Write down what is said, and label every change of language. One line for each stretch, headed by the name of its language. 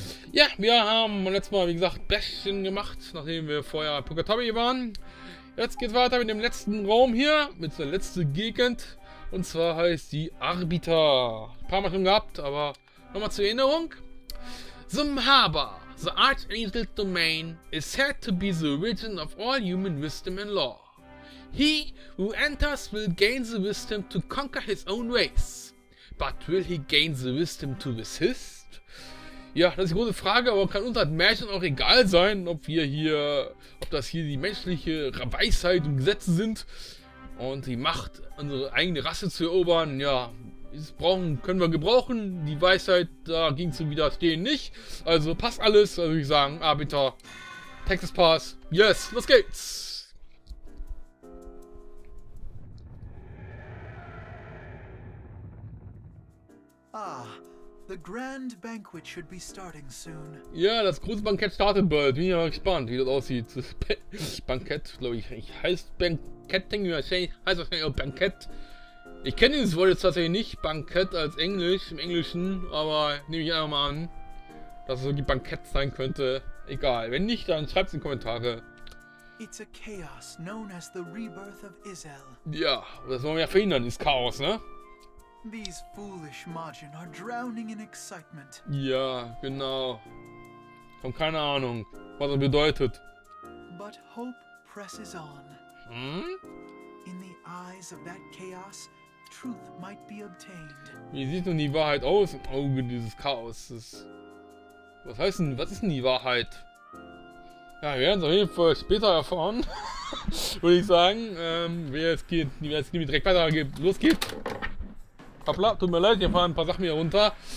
German: Ja, wir haben letztes Mal, wie gesagt, Bestien gemacht, nachdem wir vorher Pukatobi waren. Jetzt geht's weiter mit dem letzten Raum hier, mit der letzten Gegend. Und zwar heißt die Arbiter. Ein paar Mal schon gehabt, aber nochmal zur Erinnerung.
English: Zumhaba, the Archangel's domain, is said to be the origin of all human wisdom and law. He who enters will gain the wisdom to conquer his own race. But will he gain the wisdom to resist?
German: Ja, das ist die große Frage, aber kann uns als Märchen auch egal sein, ob das hier die menschliche Weisheit und Gesetze sind und die Macht, unsere eigene Rasse zu erobern. Ja, das können wir gebrauchen, die Weisheit dagegen zu widerstehen nicht. Also passt alles, würde ich sagen, Arbiter, Texas Pass, yes, los geht's!
English: Ah. The grand banquet should be starting soon.
German: Ja, das große Bankett startet bald. Bin ja mal gespannt, wie das aussieht. Das Bankett, glaube ich. Ich heißt Bankett, denke ich mal. Heißt wahrscheinlich auch Bankett. Ich kenne dieses Wort jetzt tatsächlich nicht. Bankett als Englisch, im Englischen. Aber nehme ich einfach mal an, dass es irgendwie Bankett sein könnte. Egal. Wenn nicht, dann schreibt es in die Kommentare.
English: It's a chaos known as the rebirth of Izel.
German: Ja, das wollen wir ja verhindern, ist Chaos, ne?
English: These foolish Majin are drowning in excitement.
German: Ja, genau. Ich habe keine Ahnung, was das bedeutet.
English: But hope presses on. In the eyes of that chaos, truth might be obtained.
German: Wie sieht denn die Wahrheit aus im Auge dieses Chaoses? Was heißt denn, was ist denn die Wahrheit? Ja, wir werden es auf jeden Fall später erfahren. Würde ich sagen. Wer jetzt direkt weiter losgeht. Hoppla, tut mir leid, hier fahren ein paar Sachen hier runter.